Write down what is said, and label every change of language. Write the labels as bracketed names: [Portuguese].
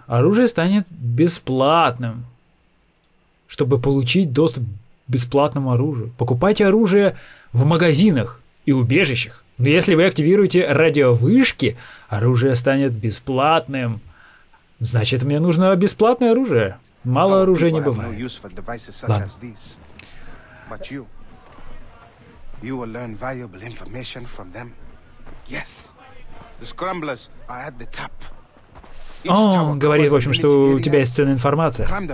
[Russian] Оружие станет бесплатным. Чтобы получить доступ к бесплатному оружию. Покупайте оружие в магазинах и убежищах. Но если вы активируете радиовышки, оружие станет бесплатным. Значит, мне нужно бесплатное оружие. Мало оружия не бывает. Ладно. [English] But you will learn valuable information from them. Yes, the scramblers are at the top. [Russian] Он говорит, в общем, что у тебя есть ценная информация.